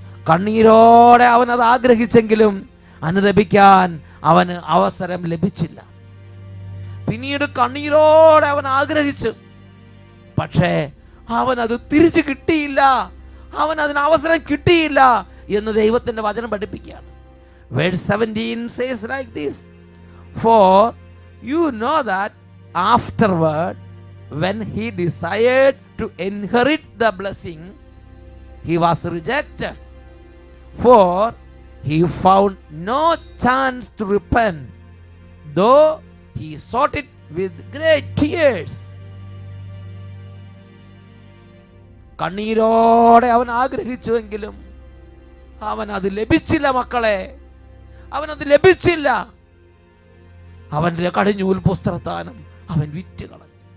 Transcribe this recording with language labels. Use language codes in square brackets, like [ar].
[ml] കണ്ണീരോടെ അവൻ അത് ആഗ്രഹിച്ചെങ്കിലും അനുദപിക്കാൻ അവന് അവസരം ലഭിച്ചില്ല. പിന്നീട് കണ്ണീരോടെ അവൻ ആഗ്രഹിച്ചു, പക്ഷേ അവനത് തിരിച്ചു കിട്ടിയില്ല, അവനതിന് അവസരം കിട്ടിയില്ല എന്ന് ദൈവത്തിൻ്റെ വചനം പഠിപ്പിക്കുകയാണ്. [en] Verse 17 says like this, for you know that afterward when he desired to inherit the blessing, he was rejected, for he found no chance to repent, though he sought it with great tears. [ml] കണ്ണീരോടെ അവൻ ആഗ്രഹിച്ചുവെങ്കിലും അവൻ അത് ലഭിച്ചില്ല. മക്കളെ, അവനത് ലഭിച്ചില്ല. അവൻ്റെ കടിഞ്ഞൂൽ പുസ്ത്രസ്ഥാനം അവൻ വിറ്റ് കളഞ്ഞു.